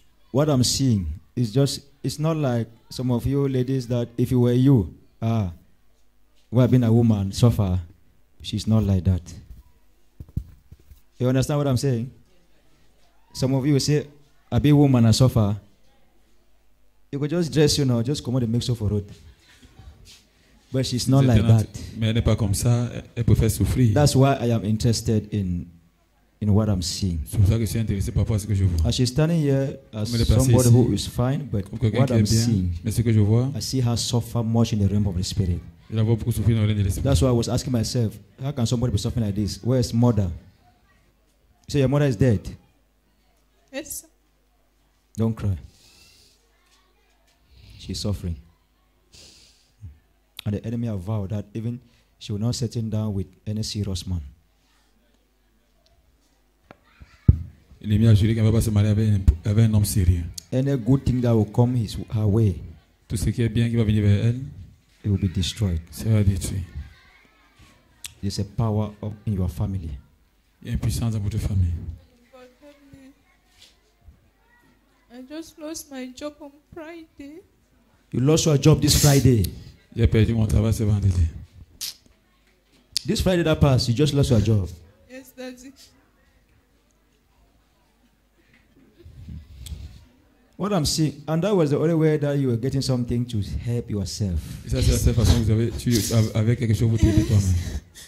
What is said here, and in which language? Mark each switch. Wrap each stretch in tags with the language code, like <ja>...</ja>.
<en>What I'm seeing is just, it's not like some of you ladies that if it were you, who have been a woman, suffer. She's not like that. You understand what I'm saying? Some of you will say, I be a woman, I suffer. You could just dress, you know, just come out and make so for it. But she's not like that.</en> <fr>Mais elle n'est pas comme ça, elle peut faire souffrir.</fr> <en>That's why I am interested in what I'm seeing.</en> <fr>C'est pour ça que je suis intéressé par rapport à ce que je vois.</fr> <en>As she's standing here as somebody</en> <fr>ici,</fr> <en>who is fine, but what I'm bien, seeing,</en> <fr>mais ce que je vois,</fr> <en>I see her suffer much in the realm of the spirit.</en> <fr>Je la vois beaucoup souffrir dans le realm de l'esprit.</fr> <en>That's why I was asking myself, how can somebody be suffering like this? Where is mother? So your mother is dead? Yes. Don't cry. She's suffering. And the enemy have vowed that even she will not settle down with any serious man. Any good thing that will come is her way.</en> <fr>Tout ce qui est bien qui va venir vers elle,</fr> <en>it will be destroyed.</en> <fr>Sera détruit.</fr> <en>There's a power of, in your family.</en> <fr>Il y a une puissance dans votre famille.</fr> <en>I just lost my job on Friday. You lost your job this Friday.</en> <fr>J'ai perdu mon travail ce vendredi.</fr> <en>This Friday that passed, you just lost your job. Yes, that's it. What I'm seeing, and that was the only way that you were getting something to help yourself.</en> <fr>Ça c'est la seule façon que vous avez, tu avais quelque chose pour t'aider toi-même.</fr>